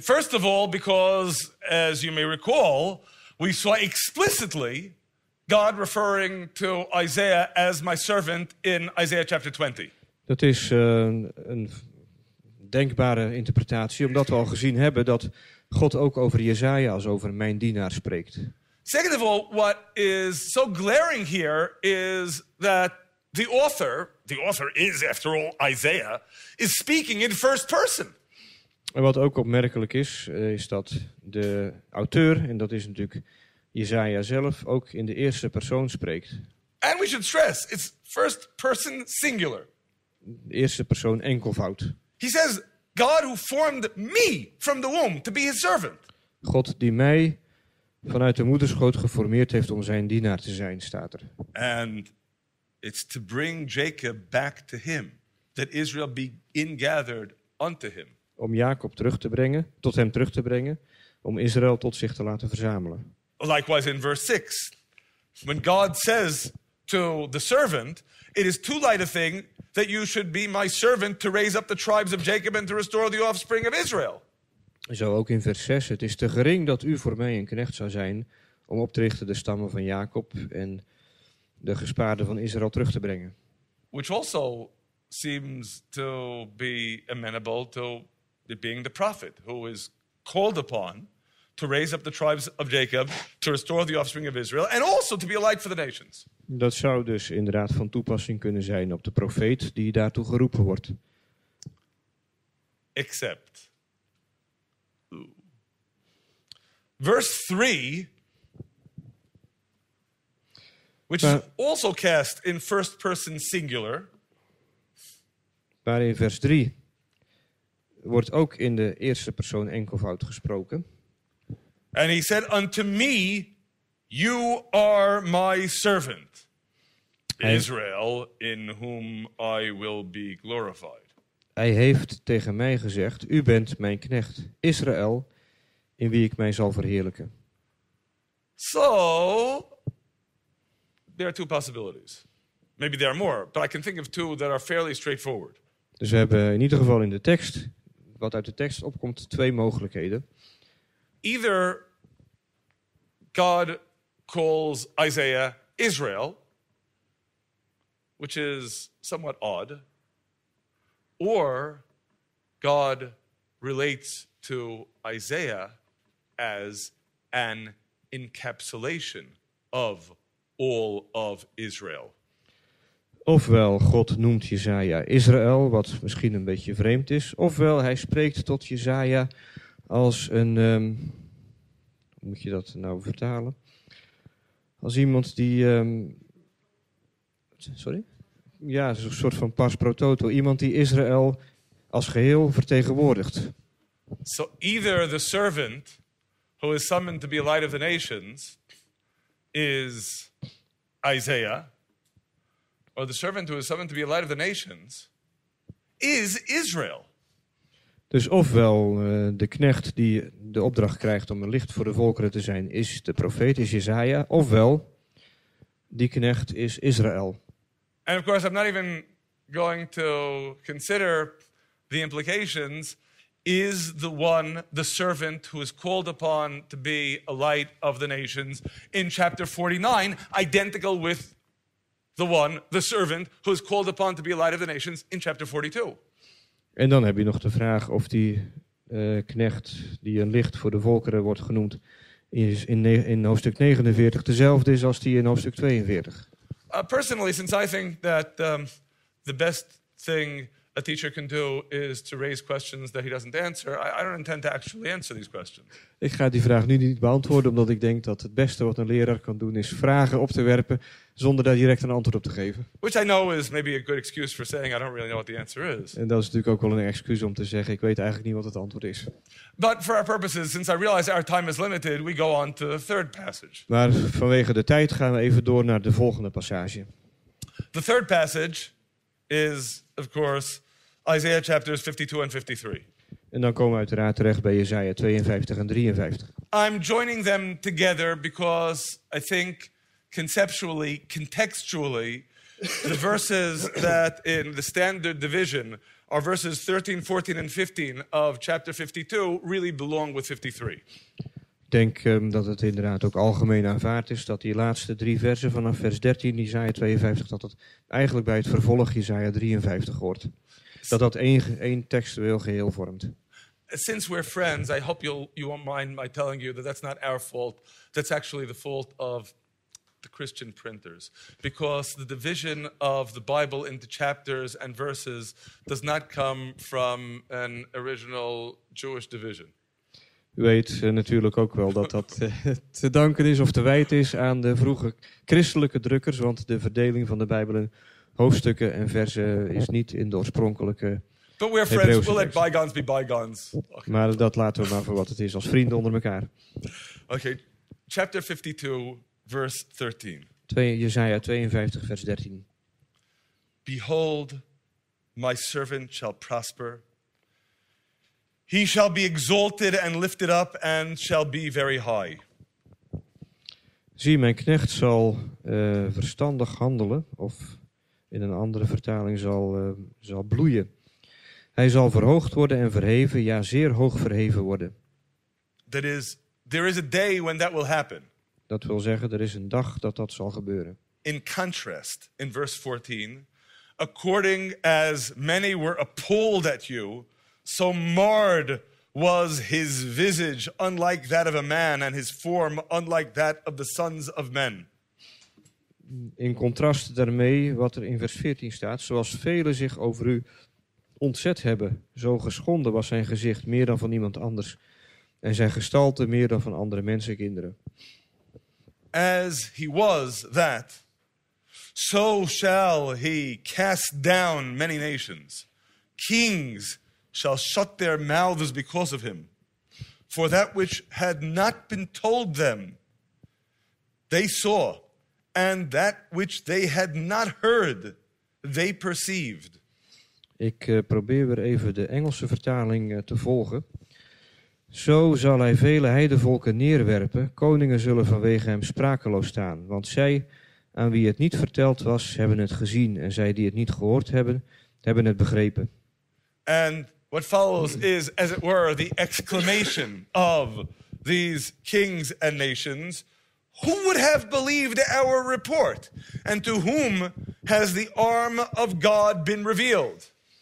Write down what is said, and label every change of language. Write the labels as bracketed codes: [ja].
[en] First of all, because, as you may recall, we saw explicitly God referring to Isaiah as my servant in Isaiah chapter 20. [nl] Dat is een denkbare interpretatie, omdat we al gezien hebben dat God ook over Jesaja als over mijn dienaar spreekt. [en] Second of all, what is so glaring here is that the author is after all Isaiah, is speaking in first person. [nl] En wat ook opmerkelijk is, is dat de auteur, en dat is natuurlijk Jesaja zelf, ook in de eerste persoon spreekt. [en] And we should stress, it's first person singular. [nl] De eerste persoon enkelvoud. [en] He says, God who formed me from the womb to be his servant. [nl] God die mij vanuit de moederschoot geformeerd heeft om zijn dienaar te zijn, staat er. [en] And it's to bring Jacob back to him, that Israel be ingathered unto him. [nl] Om Jacob terug te brengen, tot hem terug te brengen, om Israël tot zich te laten verzamelen. [en] Likewise in verse 6, when God says to the servant, it is too light a thing that you should be my servant to raise up the tribes of Jacob and to restore the offspring of Israel. [nl] Zo ook in vers 6, het is te gering dat u voor mij een knecht zou zijn om op te richten de stammen van Jacob en de gespaarden van Israël terug te brengen. [en] Which also seems to be amenable to the being the prophet who is called upon to raise up the tribes of Jacob to restore the offspring of Israel and also to be a light for the nations. [nl] Dat zou dus inderdaad van toepassing kunnen zijn op de profeet die daartoe geroepen wordt. [en] Except. Verse 3, which is also cast in first person singular. [nl] Maar in vers 3 wordt ook in de eerste persoon enkelvoud gesproken. [en] And he said unto me, you are my servant. Israel, in whom I will be glorified. [nl] Hij heeft tegen mij gezegd, u bent mijn knecht, Israël, in wie ik mij zal verheerlijken. [en] So, there are two possibilities. Maybe there are more, but I can think of two that are fairly straightforward. [nl] Dus we hebben in ieder geval in de tekst, wat uit de tekst opkomt, twee mogelijkheden. [en] Either God calls Isaiah Israel, which is somewhat odd, or God relates to Isaiah as an encapsulation of all of Israel. [nl] Ofwel God noemt Jesaja Israël, wat misschien een beetje vreemd is, ofwel hij spreekt tot Jesaja als een hoe moet je dat nou vertalen? Als iemand die ja, een soort van pars pro toto. Iemand die Israël als geheel vertegenwoordigt. [en] So either the servant who is summoned to be a light of the nations is Isaiah, or the servant who is summoned to be a light of the nations is Israel. [nl] Dus ofwel de knecht die de opdracht krijgt om een licht voor de volkeren te zijn is de profeet, is Jesaja, ofwel die knecht is Israël. [en] And of course, I'm not even going to consider the implications. Is the one, the servant, who is called upon to be a light of the nations in chapter 49, identical with the one, the servant, who is called upon to be a light of the nations in chapter 42? [nl] En dan heb je nog de vraag of die knecht die een licht voor de volkeren wordt genoemd in hoofdstuk 49 dezelfde is als die in hoofdstuk 42. [en] Personally, since I think that the best thing a teacher can do is to raise questions that he doesn't answer, I don't intend to actually answer these questions. [nl] Ik ga die vraag nu niet beantwoorden, omdat ik denk dat het beste wat een leraar kan doen is vragen op te werpen zonder daar direct een antwoord op te geven. [en] Which I know is maybe a good excuse for saying I don't really know what the answer is. [nl] En dat is natuurlijk ook wel een excuus om te zeggen ik weet eigenlijk niet wat het antwoord is. [en] But for our purposes, since I realize our time is limited, we go on to the third passage. [nl] Maar vanwege de tijd gaan we even door naar de volgende passage. [en] The third passage is of course Isaiah chapters 52 and 53. [nl] En dan komen we uiteraard terecht bij Jesaja 52 en 53. [en] I'm joining them together because I think conceptually, contextually, the verses that in the standard division are verses 13, 14 and 15 of chapter 52 really belong with 53. [nl] Ik denk dat het inderdaad ook algemeen aanvaard is dat die laatste drie versen vanaf vers 13 Jesaja 52 dat het eigenlijk bij het vervolg Jesaja 53 hoort. Dat dat één textueel geheel vormt. [en] Since we're friends, I hope you won't mind my telling you that that's not our fault. That's actually the fault of the Christian printers. Because the division of the Bible into chapters and verses does not come from an original Jewish division. [nl] U weet natuurlijk ook wel dat dat te danken is of te wijten is aan de vroege christelijke drukkers, want de verdeling van de Bijbel in hoofdstukken en versen is niet in de oorspronkelijke [en] But we're friends. We'll let bygones be bygones. Okay. [nl] Maar dat laten we maar voor wat het is, als vrienden onder elkaar. [en] Okay, chapter 52, verse 13. [nl] Jesaja 52, vers 13. [en] Behold, my servant shall prosper. He shall be exalted and lifted up and shall be very high. [nl] Zie, mijn knecht zal verstandig handelen, of in een andere vertaling zal bloeien. Hij zal verhoogd worden en verheven, ja, zeer hoog verheven worden. [en] That is, there is a day when that will happen. [nl] Dat wil zeggen, er is een dag dat dat zal gebeuren. [en] In contrast, in verse 14, according as many were appalled at you, so marred was his visage, unlike that of a man, and his form unlike that of the sons of men. [nl] In contrast daarmee, wat er in vers 14 staat, zoals velen zich over u ontzet hebben, zo geschonden was zijn gezicht meer dan van iemand anders, en zijn gestalte meer dan van andere mensenkinderen. [en] As he was that, so shall he cast down many nations. Kings shall shut their mouths because of him. For that which had not been told them, they saw, and that which they had not heard, they perceived. [nl] Ik probeer weer even de Engelse vertaling te volgen. Zo zal hij vele heidenvolken neerwerpen, koningen zullen vanwege hem sprakeloos staan, want zij aan wie het niet verteld was, hebben het gezien, en zij die het niet gehoord hebben, hebben het begrepen. [en] And what follows is, as it were, the exclamation of these kings and nations, who would have believed our report? And to whom has the arm of God been revealed?